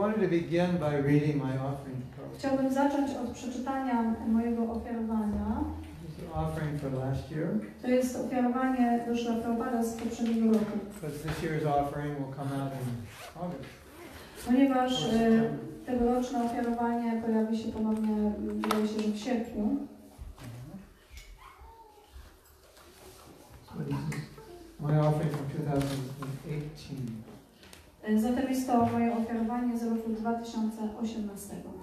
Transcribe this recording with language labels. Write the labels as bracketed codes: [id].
[en] Begin by reading my offering. [pl] Chciałbym zacząć od przeczytania mojego ofiarowania. [en] Offering for last year. [pl] To jest ofiarowanie Śrila Prabhupada z poprzedniego roku. [en] Because this year's offering will come out in August. [pl] Ponieważ tegoroczne ofiarowanie pojawi się ponownie, wydaje się, że w sierpniu. [en] My offering from 2018. [pl] Zatem jest to moje ofiarowanie z roku 2018.